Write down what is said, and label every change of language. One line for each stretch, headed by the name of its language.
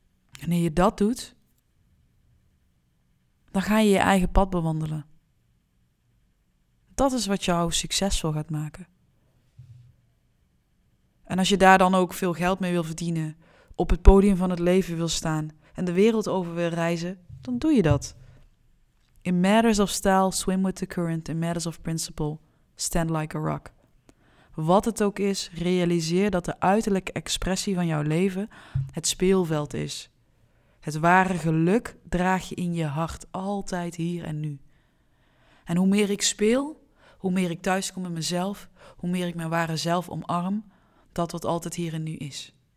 Dutch: Wanneer je dat doet, dan ga je je eigen pad bewandelen. Dat is wat jou succesvol gaat maken. En als je daar dan ook veel geld mee wil verdienen, op het podium van het leven wil staan en de wereld over wil reizen, dan doe je dat.
English: In matters of style, swim with the current. In matters of principle, stand like a rock.
Dutch: Wat het ook is, realiseer dat de uiterlijke expressie van jouw leven het speelveld is. Het ware geluk draag je in je hart, altijd hier en nu. En hoe meer ik speel, hoe meer ik thuis kom in mezelf, hoe meer ik mijn ware zelf omarm, dat wat altijd hier en nu is.